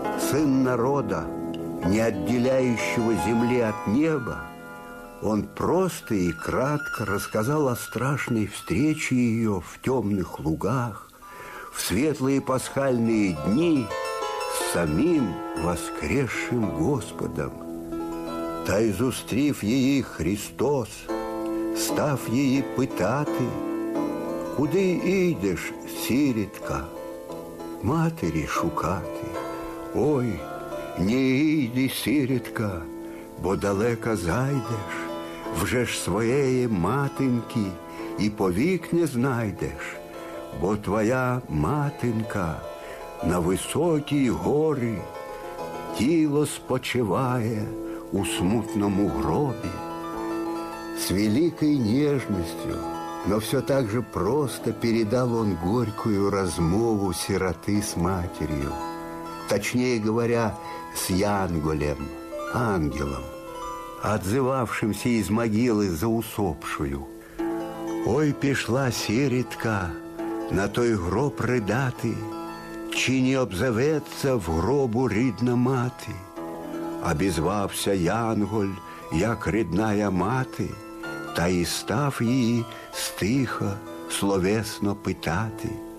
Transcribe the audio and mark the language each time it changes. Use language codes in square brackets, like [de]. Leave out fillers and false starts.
[ru] Сын народа, не отделяющего земли от неба, он просто и кратко рассказал о страшной встрече ее в темных лугах, в светлые пасхальные дни с самим воскресшим Господом. [uk] Та изустрив ей Христос, став ей пытати: «Куди идешь, сиритка?» «Матери шукати, Ой, не йди, сирітка, бо далеко зайдеш, вже ж своєї матинки і повік не знайдеш, бо твоя матинка на високій горі, тіло спочиває у смутному гробі. [ru] С великой нежностью, но все так же просто передал он горькую размову сироты с матерью, точнее говоря, с Янголем, ангелом, отзывавшимся из могилы за усопшую. [uk] Ой, пішла сиритка на той гроб рыдати, чи не обзаветься в гробу рідна мати? Обізвався Янголь, як рідная мати, та й став її стихо, словесно питати.